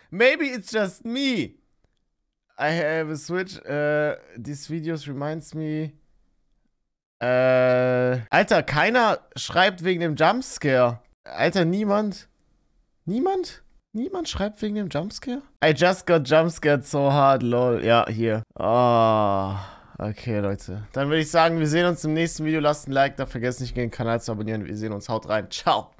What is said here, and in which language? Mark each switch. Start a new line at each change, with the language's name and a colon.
English: Maybe it's just me. I have a Switch. These videos reminds me.
German: Alter, keiner schreibt wegen dem Jumpscare. Alter, niemand. Niemand? Niemand schreibt wegen dem Jumpscare?
English: I just got jumpscared so hard, lol.
German: Ja, hier. Oh, okay, Leute. Dann würde ich sagen, wir sehen uns im nächsten Video. Lasst ein Like da, vergesst nicht, den Kanal zu abonnieren. Wir sehen uns. Haut rein. Ciao.